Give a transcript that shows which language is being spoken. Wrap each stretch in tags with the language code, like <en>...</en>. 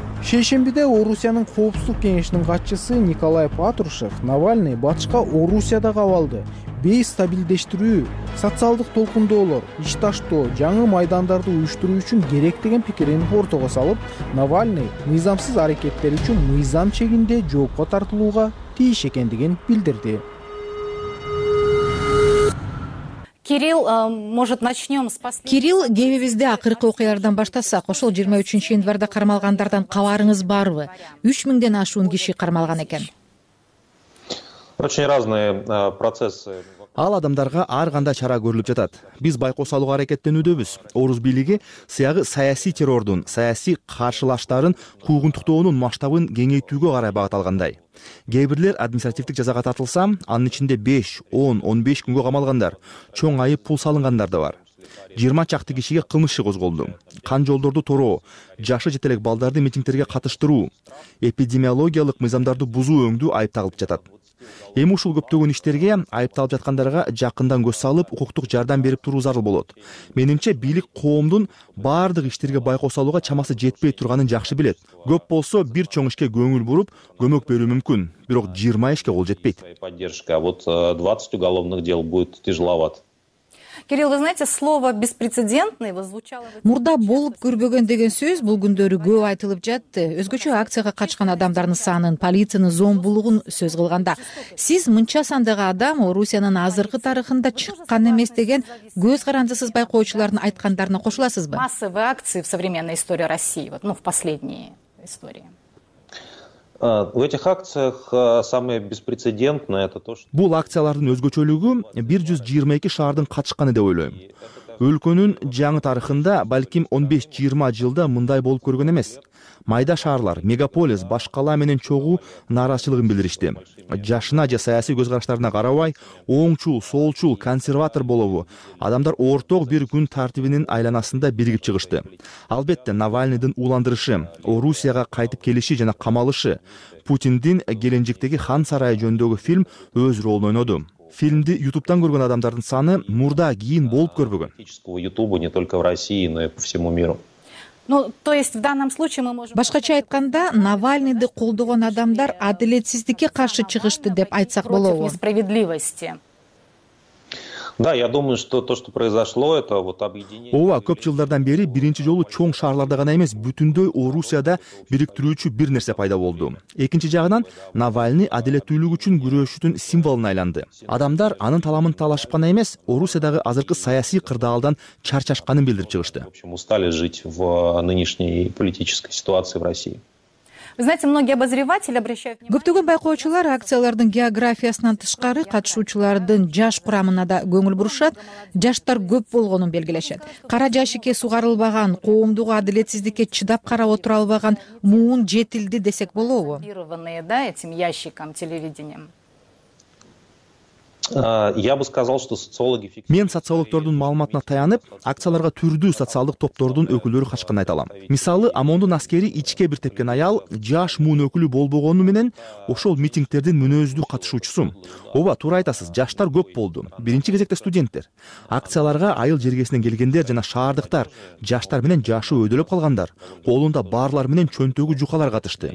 <ky>Шейшембиде Орусиянын коопсуздук кеңешинин катчысы Николай Патрушев Навальный батышка Орусиядагы абалды бейстабилдештирүү, социалдык толкундоолор, иш таштоо, жаңы майдандарды уюштуруу үчүн керек деген пикирин ортого салып, Навальный мыйзамсыз аракеттер үчүн мыйзам чегинде жоопко тартылууга тийиш экендигин билдирди.</ky> <ru>Кирилл, может, начнем с последнего.</ru> <ky>Кирилл, кебибизди акыркы окуялардан баштасак, ошол 23 январда кармалгандардан кабарыңыз барбы? 3000ден ашуун киши кармалган экен.</ky> <ru>Очень разные процессы.</ru> <ky>Ал адамдарга ар кандай чара көрүлүп жатат. Биз байкоо салууга аракеттенүүдөбүз. Орус бийлиги сыягы саясий террордун, саясий каршылаштардын куугунтуктоонун масштабын кеңейтүүгө карай багытталгандай. Кээ бирлер административдик жазага тартылса, анын ичинде 5, 10, 15 күнгө камалгандар, чоң айып пул салынгандар да бар. 20 чакты кишиге кылмыш иши козголду. Кан жолдорду тороо, жашы жете элек балдарды митингтерге катыштыруу, эпидемиологиялык мыйзамдарды бузуу өңдүү айып тагылып жатат. Эми ушул көптөгөн иштерге айыпталып жаткандарга жакындан көз салып, укуктук жардам берип туруу зарыл болот. Менимче, бийлик коомдун баардык иштерге байкоо салууга чамасы жетпей турганын жакшы билет. Көп болсо бир чоң ишке көңүл буруп, көмөк берүү мүмкүн, бирок 20 ишке кол жетпейт.</ky> <ru>Поддержка, а вот 20 уголовных дел будет тяжеловато. Кирилл, вы знаете, слово беспрецедентный звучало...</ru> <ky>Мурда болуп көрбөгөн деген сөз бул күндөрү көп айтылып жатты. Өзгөчө акцияга катышкан адамдардын санын, полициянын зомбулугун сөз кылганда. Сиз мынча сандагы адам Орусиянын азыркы тарыхында чыккан эмес деген көз карандысыз байкоочулардын айткандарына кошуласызбы?</ky> <ru>Массовые акции в современной истории России, вот, ну, в последние истории. В этих акциях самое беспрецедентное это то, что</ru> <ky>бул акциялардын өзгөчөлүгү 122 шаардын катышканы деп ойлойм. Өлкөнүн жаңы тарыхында балким 15-20 жылда мындай болуп көргөн эмес. Майда шаарлар, мегаполис, башкала менен чогуу нааразычылыгын билдиришти. Жашына же саясий көз караштарына карабай, оңчул, солчул, консерватор болобу, адамдар орток бир күн тартибинин айланасында биригип чыгышты. Албетте, Навальныйдын уландырышы, Орусияга кайтып келиши жана камалышы, Путиндин Геленджиктеги хан сарайы жөндөгү фильм өз ролун ойноду. Фильмди YouTube'дан көргөн адамдардын саны мурда кийин болуп көрбөгөн.</ky> <ru>YouTube не только в России, но и по всему миру. Ну, то есть в данном случае мы можем.</ru> <ky>Башкача айтканда, Навальныйды колдогон адамдар адилетсиздикке каршы чыгышты деп айтсак болобу?</ky> <ru>Против несправедливости. Да, я думаю, что то, что произошло, это вот объединение.</ru> <ky>Ова, көп жылдардан бери биринчи жолу чоң шаарларда гана эмес, бүтүндөй Орусияда бириктирүүчү бир нерсе пайда болду. Экинчи жагынан, Навальный адилеттүүлүк үчүн күрөшүүнүн символуна айланды. Адамдар анын таламын талашып гана эмес, Орусиядагы азыркы саясий кырдаалдан чарчашканын билдирип чыгышты.</ky> <ru>В общем, устали жить в нынешней политической ситуации в России. Вы знаете, многие обозреватели обращают внимание.</ru> <ky>Көптөгөн байкоочулар акциялардын географиясынан тышкары катышуучулардын жаш курамына да көңүл бурушат, жаштар көп болгонун белгилешет. Кара жашикке сугарылбаган, коомдук адилетсиздикке чыдап карап отура албаган муун жетилди десек болобу?</ky> <ru>Да, этим ящиком телевидением. Я бы сказал, что социологи.</ru> <ky>Мен социологтордун маалыматына таянып, акцияларга түрдүү социалдык топтордун өкүлдөрү катышканын айталам. Мисалы, ОМОНдун аскери ичке бир тепкен аял жаш муун өкүлү болбогону менен ошол митингтердин мүнөздүү катышуучусу. Ооба, туура айтасыз, жаштар көп болду. Биринчи кезекте студенттер. Акцияларга айыл жергесинен келгендер жана шаардыктар, жаштар менен жашы өйдөлөп калгандар, колунда барлар менен чөнтөгү жукалар катышты.</ky>